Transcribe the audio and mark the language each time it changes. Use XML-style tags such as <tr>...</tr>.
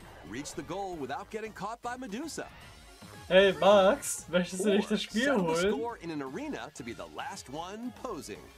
<en>Reach the goal without getting caught by Medusa.</en> <de>Hey Max, möchtest du nicht das Spiel holen?</de> <en>Score in an arena to be the last one posing.</en>